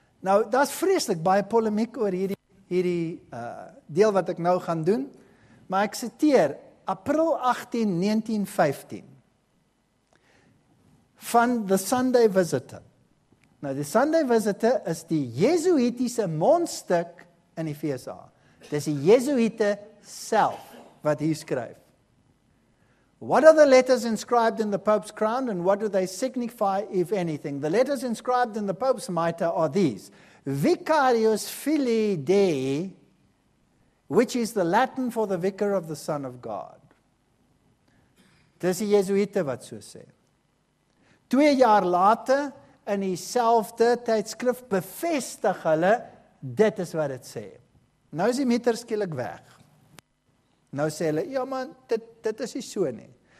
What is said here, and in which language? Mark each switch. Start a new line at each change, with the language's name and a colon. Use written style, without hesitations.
Afrikaans: Nou, daar's vreeslik baie polemiek oor hierdie deel wat ek nou gaan doen, maar ek citeer April 18, 1915 van The Sunday Visitor. Nou, The Sunday Visitor is die jesuïtiese mondstuk in die VSA. Dis die jesuïte self wat hier skryf.
English: What are the letters inscribed in the Pope's crown and what do they signify, if anything? The letters inscribed in the Pope's mitre are these.
Latin: Vicarius Filii Dei,
English: which is the Latin for the vicar of the Son of God.
Afrikaans: Dis die Jesuïte wat so sê. 2 jaar later, in dieselfde tydskrif, bevestig hulle, dit is wat het sê. Nou is die mitre skielik weg. Nou sê hulle, ja man, dit is nie so nie.